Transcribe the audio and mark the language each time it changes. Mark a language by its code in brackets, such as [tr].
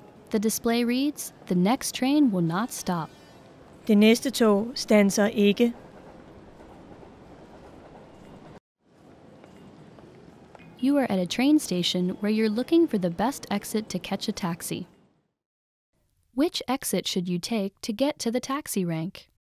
[en] The display reads, "The next train will not stop." [da] Det næste tog standser ikke. [en] You are at a train station where you're looking for the best exit to catch a taxi. Which exit should you take to get to the taxi rank?